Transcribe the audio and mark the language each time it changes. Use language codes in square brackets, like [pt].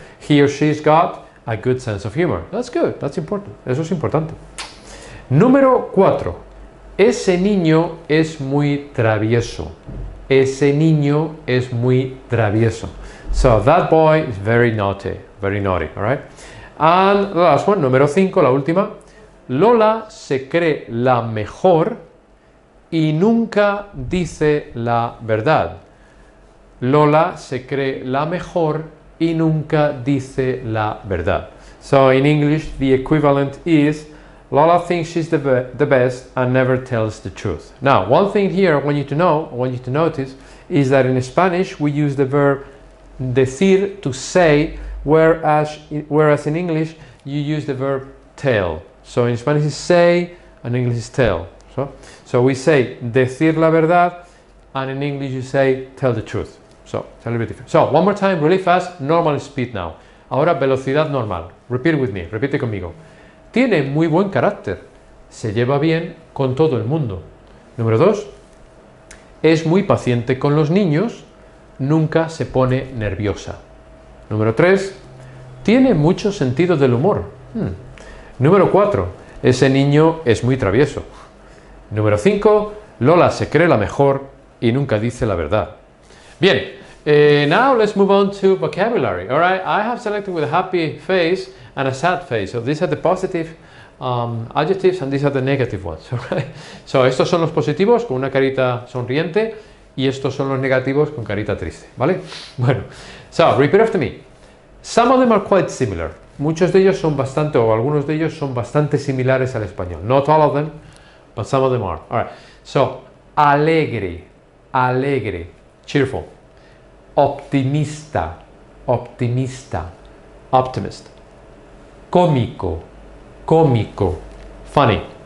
[en] He or she's got a good sense of humor. That's good, that's important. [es] Eso es importante. Número 4. Ese niño es muy travieso. Ese niño es muy travieso. [en] So, that boy is very naughty, all right? And the last one, [es] número 5, la última. Lola se cree la mejor y nunca dice la verdad. Lola se cree la mejor y nunca dice la verdad. [en] So, in English, the equivalent is Lola thinks she's the best and never tells the truth. Now, one thing here I want you to know, I want you to notice, is that in Spanish we use the verb decir, to say, whereas in English you use the verb tell. So, in Spanish is say and in English is tell. So we say [es] decir la verdad [en] and in English you say tell the truth. So, it's a little bit different. So, one more time, really fast, normal speed now. [es] Ahora, velocidad normal. [en] Repeat with me, [es] repite conmigo. Tiene muy buen carácter. Se lleva bien con todo el mundo. Número 2. Es muy paciente con los niños. Nunca se pone nerviosa. Número 3. Tiene mucho sentido del humor. Número 4. Ese niño es muy travieso. Número 5. Lola se cree la mejor y nunca dice la verdad. [en] Bien, now let's move on to vocabulary, all right? I have selected with a happy face and a sad face. So these are the positive adjectives and these are the negative ones, all right? [es] So estos son los positivos con una carita sonriente y estos son los negativos con carita triste, ¿vale? [en] Bueno, so repeat after me. Some of them are quite similar. [es] Muchos de ellos son bastante, o algunos de ellos son bastante similares al español. [en] Not all of them, but some of them are. All right, so alegre, alegre. Cheerful. [es] Optimista. Optimista. Optimist. Cómico. Cómico. Funny.